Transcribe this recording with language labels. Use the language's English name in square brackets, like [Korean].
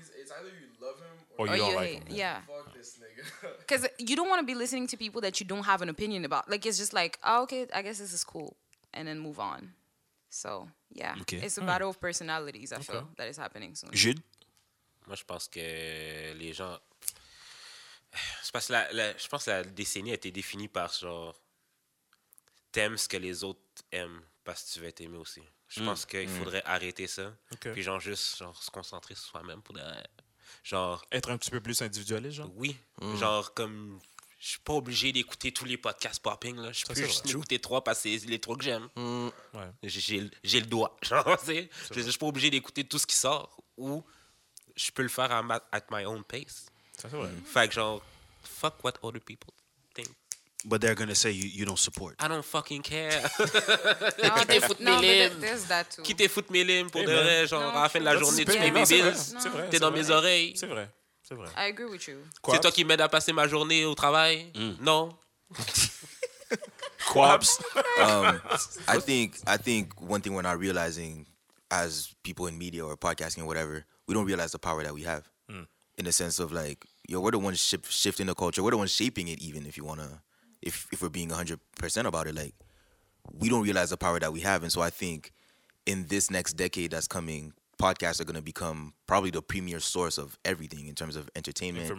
[English] It's either you love him or you don't like him. Yeah. Fuck this nigga. Because you don't want to be listening to people that you don't have an opinion about. Like, it's just like, oh, okay, I guess this is cool. And then move on. So, yeah. Okay. It's a battle of personalities, I feel, that is happening soon. Jude? [French] Moi, je pense que les gens... Je pense que la décennie a été définie par genre... T'aimes ce que les autres aiment parce que tu veux être aimé aussi. Je pense qu'il faudrait arrêter ça. [English] Okay. [French] Puis genre juste genre se concentrer sur soi-même pour genre être un petit peu plus individualiste, genre. Oui. Mm. Genre comme je suis pas obligé d'écouter tous les podcasts popping là, je peux juste écouter trois parce que c'est les trois que j'aime. Mm. Ouais. J'ai le doigt, genre, tu sais. Je suis pas obligé d'écouter tout ce qui sort ou je peux le faire à [English] at my own pace. [French] Ça c'est vrai. Fait que genre [English] fuck what other people think. But they're going to say you don't support. I don't fucking care. there's that too. [French] Qui te fout mes limes pour de vrai, genre, à la fin de la journée, tu mets mes bills. C'est vrai. T'es dans mes oreilles. C'est vrai. [English] I agree with you. Quaps? [French] C'est toi qui m'aides à passer ma journée au travail? Mm. Non. Quaps? [English] I think one thing we're not realizing as people in media or podcasting or whatever, we don't realize the power that we have. Mm. In the sense of like, yo, we're the ones shifting the culture. We're the ones shaping it even if you want to. If we're being 100% about it, like, we don't realize the power that we have. And so I think in this next decade that's coming, podcasts are going to become probably the premier source of everything in terms of entertainment,